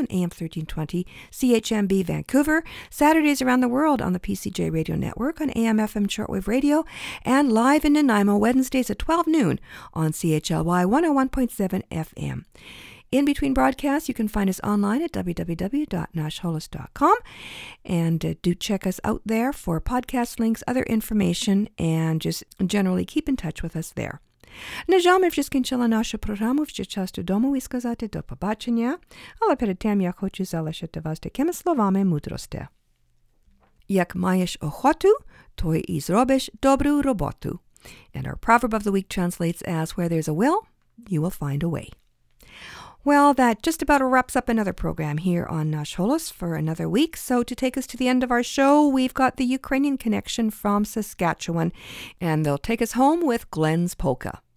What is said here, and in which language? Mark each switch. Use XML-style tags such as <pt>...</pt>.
<en>on AM 1320 CHMB Vancouver, Saturdays around the world on the PCJ Radio Network on AM/FM Shortwave Radio, and live in Nanaimo Wednesdays at 12 noon on CHLY 101.7 FM. In between broadcasts, you can find us online at www.nashholos.com, and do check us out there for podcast links, other information, and just generally keep in touch with us there.</en> <uk>На жаль, ми вже скінчили нашу програму. Ще час додому і сказати до побачення. Але перед тим я хочу залишити вас такими словами мудрості. Як маєш охоту, то і зробиш добру роботу.</uk> <en>And our proverb of the week translates as, where there's a will, you will find a way. Well, that just about wraps up another program here on Nash Holos for another week. So to take us to the end of our show, we've got the Ukrainian Connection from Saskatchewan, and they'll take us home with Glenn's Polka.</en>